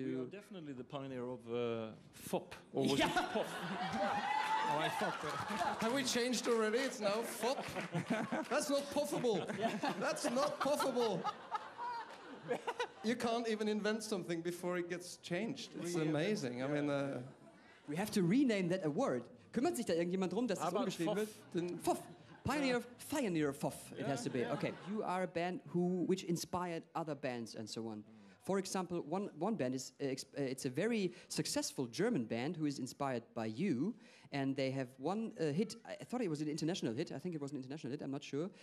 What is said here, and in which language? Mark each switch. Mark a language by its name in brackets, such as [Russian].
[English] We are definitely the Pioneer of FOP, or was it POP? Oh, I thought that. Have we changed already? It's now FOP. That's not puffable. That's not puffable. You can't even invent something before it gets changed. It's amazing. I mean... We have to rename that award. [German] Kümmert sich da irgendjemand drum, dass es umgeschrieben wird? [English] FOP. Pioneer of FOP, it has to be. Okay. You are a band which inspired other bands and so on. For example, one band is it's a very successful German band who is inspired by you, and they have one hit. I thought it was an international hit. I think it was an international hit. I'm not sure.